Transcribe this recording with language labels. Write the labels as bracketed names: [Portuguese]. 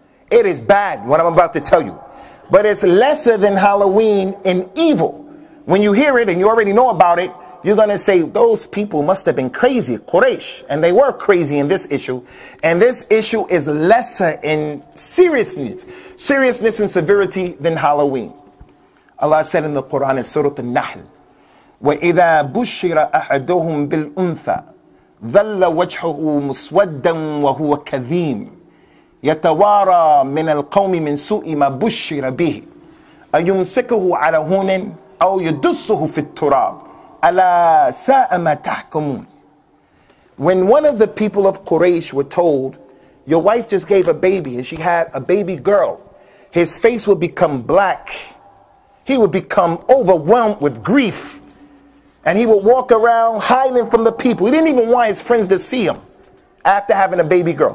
[English] It is bad, what I'm about to tell you. But it's lesser than Halloween in evil. When you hear it and you already know about it, you're going to say, those people must have been crazy, Quraysh. And they were crazy in this issue. And this issue is lesser in seriousness and severity than Halloween. Allah said in the Quran, in Surah An-Nahl, [Arabic] وَإِذَا بُشِّرَ أَحَدُهُمْ بِالْأُنْثَى ذَلَّ وَجْحُهُ مُسْوَدًّا وَهُوَ كَذِيمٌ يَتَوَارَى مِنَ الْقَوْمِ مِنْ سُوءِ مَا بُشِّرَ بِهِ أَيُمْسِكُهُ عَلَى هُونٍ أَوْ يَدُسُّهُ فِي التُّرَابِ أَلَا سَاءَ مَا تَحْكُمُونَ. [English] When one of the people of Quraysh were told, your wife just gave a baby and she had a baby girl, his face would become black. He would become overwhelmed with grief. And he would walk around hiding from the people. He didn't even want his friends to see him after having a baby girl.